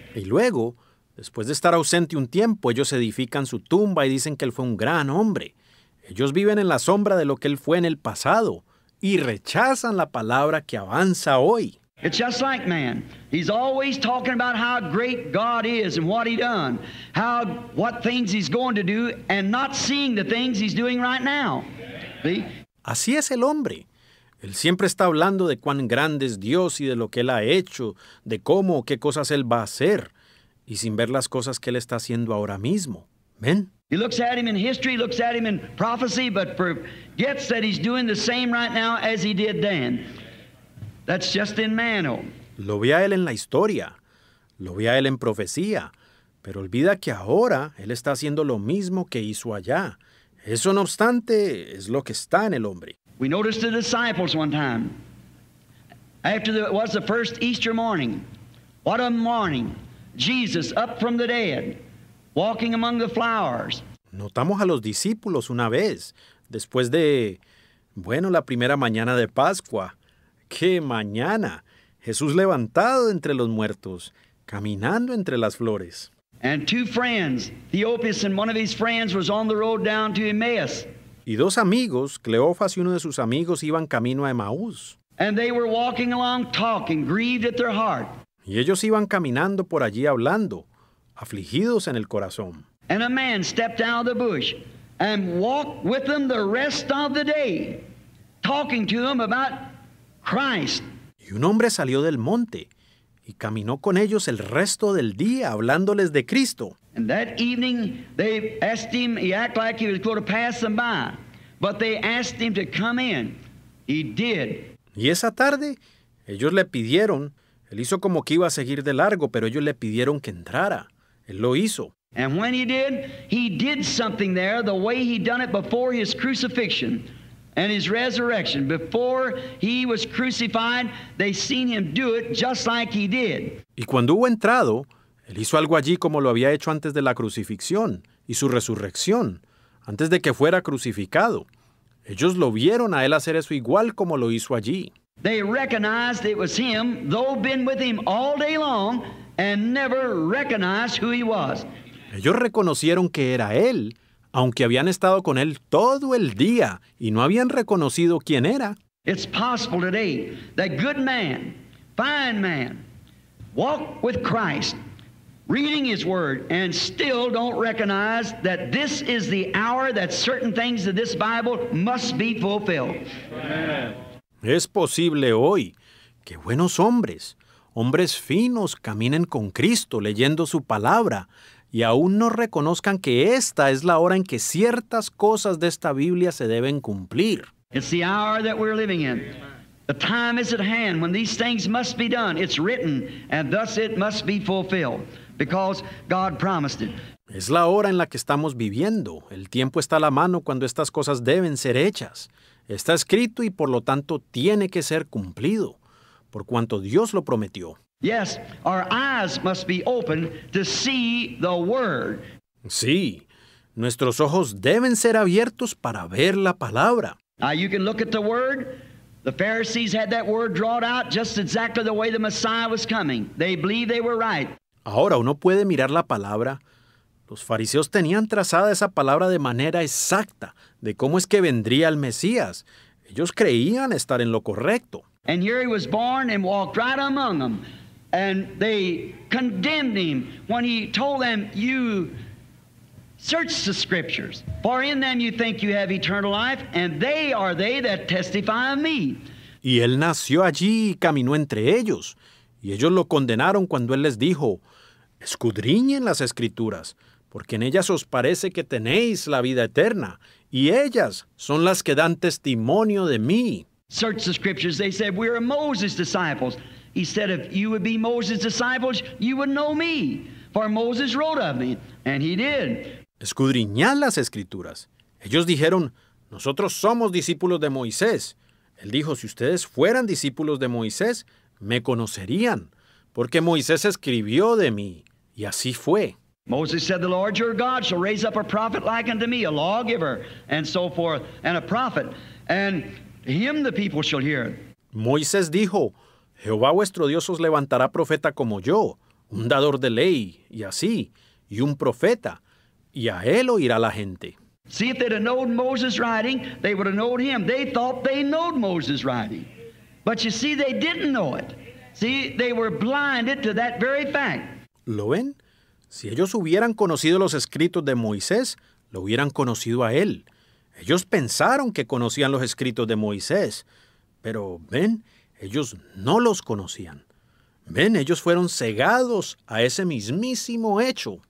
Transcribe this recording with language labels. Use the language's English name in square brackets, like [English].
[Spanish] Y luego, después de estar ausente un tiempo, ellos edifican su tumba y dicen que él fue un gran hombre. Ellos viven en la sombra de lo que él fue en el pasado y rechazan la palabra que avanza hoy. [English] It's just like man. He's always talking about how great God is and what he's done, how what things he's going to do and not seeing the things he's doing right now. See? [Spanish] Así es el hombre. Él siempre está hablando de cuán grande es Dios y de lo que él ha hecho, de cómo o qué cosas él va a hacer, y sin ver las cosas que él está haciendo ahora mismo. ¿Ven? [English] He looks at him in history, looks at him in prophecy, but forgets that he's doing the same right now as he did then. That's just in man. [Spanish] Lo ve a él en la historia, lo ve a él en profecía, pero olvida que ahora él está haciendo lo mismo que hizo allá. Eso no obstante, es lo que está en el hombre. [English] We noticed the disciples one time. It was the first Easter morning. What a morning. Jesus up from the dead. Walking among the flowers. [Spanish] Notamos a los discípulos una vez, después de, bueno, la primera mañana de Pascua. ¡Qué mañana! Jesús levantado entre los muertos, caminando entre las flores. [English] And two friends, Theopas and one of his friends, was on the road down to Emmaus. [Spanish] Y dos amigos, Cleofas y uno de sus amigos, iban camino a Emmaús. [English] And they were walking along talking, grieved at their heart. [Spanish] Y ellos iban caminando por allí hablando, afligidos en el corazón. [English] And a man stepped out of the bush and walked with them the rest of the day, talking to them about Christ. [Spanish] Y un hombre salió del monte y caminó con ellos el resto del día hablándoles de Cristo. [English] And that evening they asked him, he acted like he was going to pass them by, but they asked him to come in. He did. [Spanish] Y esa tarde ellos le pidieron, él hizo como que iba a seguir de largo, pero ellos le pidieron que entrara. Él lo hizo. [English] And when he did something there the way he'd done it before his crucifixion and his resurrection. Before he was crucified, they seen him do it just like he did. [Spanish] Y cuando hubo entrado, él hizo algo allí como lo había hecho antes de la crucifixión y su resurrección, antes de que fuera crucificado. Ellos lo vieron a él hacer eso igual como lo hizo allí. [English] They recognized it was him, though been with him all day long, and never recognized who he was. [Spanish] Ellos reconocieron que era él, aunque habían estado con él todo el día y no habían reconocido quién era. [English] It's possible today that good man, fine man, walk with Christ, reading His Word, and still don't recognize that this is the hour that certain things of this Bible must be fulfilled. [Spanish] Es posible hoy que buenos hombres, hombres finos, caminen con Cristo leyendo su palabra y aún no reconozcan que esta es la hora en que ciertas cosas de esta Biblia se deben cumplir. [English] It's the hour that we're living in. The time is at hand when these things must be done. It's written, and thus it must be fulfilled, because God promised it. [Spanish] Es la hora en la que estamos viviendo. El tiempo está a la mano cuando estas cosas deben ser hechas. Está escrito y por lo tanto tiene que ser cumplido, por cuanto Dios lo prometió. [English] Yes, our eyes must be open to see the Word. [Spanish] Sí, nuestros ojos deben ser abiertos para ver la palabra. [English] Now you can look at the Word. The Pharisees had that Word drawn out just exactly the way the Messiah was coming. They believed they were right. [Spanish] Ahora uno puede mirar la palabra. Los fariseos tenían trazada esa palabra de manera exacta de cómo es que vendría el Mesías. Ellos creían estar en lo correcto. [English] And here he was born and walked right among them. And they condemned him when he told them, "You search the scriptures, for in them you think you have eternal life, and they are they that testify of me." [Spanish] Y él nació allí y caminó entre ellos. Y ellos lo condenaron cuando él les dijo, "Escudriñen las escrituras, porque en ellas os parece que tenéis la vida eterna, y ellas son las que dan testimonio de mí." [English] Search the scriptures. They said, "We are Moses' disciples." He said, "If you would be Moses' disciples, you would know me, for Moses wrote of me." And he did. [Spanish] Escudriñad las escrituras. Ellos dijeron, "Nosotros somos discípulos de Moisés." Él dijo, "Si ustedes fueran discípulos de Moisés, me conocerían, porque Moisés escribió de mí." Y así fue. [English] Moses said, "The Lord your God shall raise up a prophet like unto me, a lawgiver," and so forth, "and a prophet, and him the people shall hear." [Spanish] Moisés dijo, "Jehová vuestro Dios os levantará profeta como yo, un dador de ley, y así, y un profeta, y a él oirá la gente." [English] See, if they'd have known Moses' writing, they would have known him. They thought they knew Moses' writing. But you see, they didn't know it. See, they were blinded to that very fact. [Spanish] ¿Lo ven? Si ellos hubieran conocido los escritos de Moisés, lo hubieran conocido a él. Ellos pensaron que conocían los escritos de Moisés, pero ven, ellos no los conocían. Ven, ellos fueron cegados a ese mismísimo hecho.